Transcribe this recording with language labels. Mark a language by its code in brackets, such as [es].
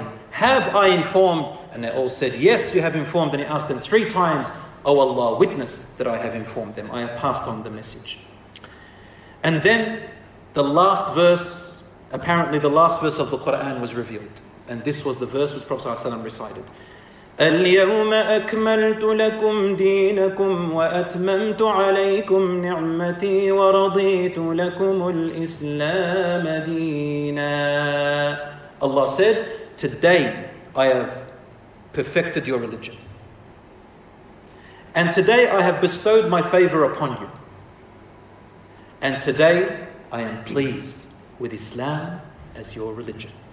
[en] Have I informed? And they all said, yes, you have informed. And he asked them three times, O Allah, witness that I have informed them. I have passed on the message. And then the last verse, apparently the last verse of the Quran was revealed. And this was the verse which Prophet ﷺ recited. [ar] اليوم أكملت لكم دينكم وأتممت عليكم نعمتي ورضيت لكم الإسلام دينا. [en] Allah said, today I have perfected your religion. And today I have bestowed my favor upon you. And today I am pleased with Islam as your religion.